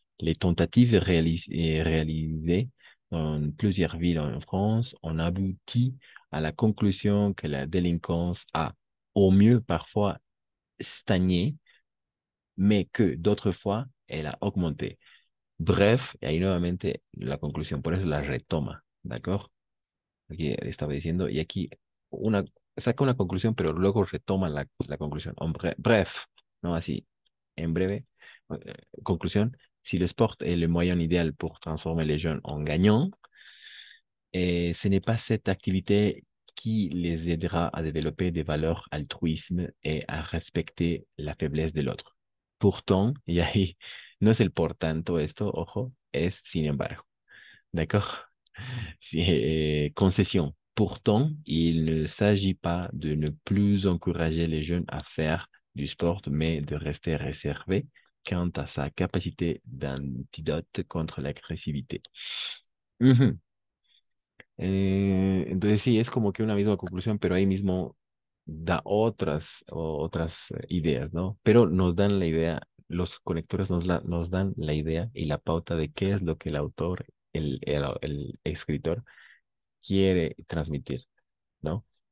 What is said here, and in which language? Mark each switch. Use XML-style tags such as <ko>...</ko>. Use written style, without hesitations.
<fr>Les tentatives réalisées dans plusieurs villes en France ont abouti à la conclusion que la délinquance a au mieux parfois stagné, mais que d'autres fois, elle a augmenté.</fr> <es>Bref, et ahí nuevamente la conclusión, por eso la retoma, ¿d'accord? Aquí estaba diciendo, y aquí una, saca una conclusión, pero luego retoma la conclusión. Bref, no así, en breve, conclusión.</es> <fr>Si le sport est le moyen idéal pour transformer les jeunes en gagnants, et ce n'est pas cette activité qui les aidera à développer des valeurs altruisme et à respecter la faiblesse de l'autre.</fr> <es>Pourtant, y ahí, no es el por tanto esto, ojo, es sin embargo.</es> <fr>D'accord? Concession. Pourtant, il ne s'agit pas de ne plus encourager les jeunes à faire du sport, mais de rester réservés quant à sa capacité d'antidote contre l'agressivité.</fr> <es>Entonces, sí, es como que una misma conclusión, pero ahí mismo da otras ideas, ¿no? Pero nos dan la idea, los conectores nos dan la idea y la pauta de qué es lo que el autor, el escritor, quiere transmitir, ¿no?</es>